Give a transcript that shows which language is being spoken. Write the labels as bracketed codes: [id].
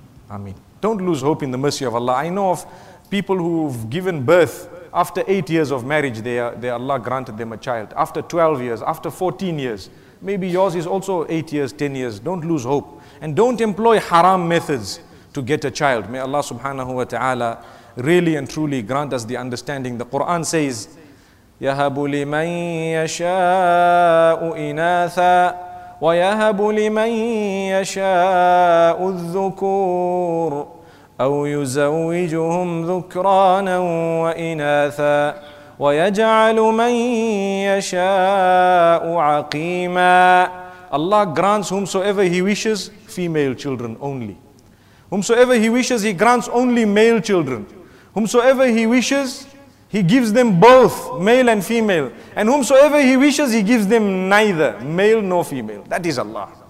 [en] I mean, don't lose hope in the mercy of Allah. I know of people who've given birth after 8 years of marriage, they Allah granted them a child. After 12 years, after 14 years, maybe yours is also 8 years, 10 years. Don't lose hope. And don't employ haram methods to get a child. May Allah subhanahu wa ta'ala really and truly grant us the understanding. The Quran says, [ar] يَهَبُ لِمَنْ يَشَاءُ إِنَاثًا وَيَهَبُ لِمَنْ يَشَاءُ الذُّكُورُ أَوْ يُزَوِّجُهُمْ ذُكْرَانًا وَإِنَاثًا وَيَجْعَلُ مَنْ يَشَاءُ عَقِيمًا. [en] Allah grants whomsoever He wishes female children only. Whomsoever He wishes, He grants only male children. Whomsoever He wishes, He gives them both, male and female. And whomsoever He wishes, He gives them neither, male nor female. That is Allah.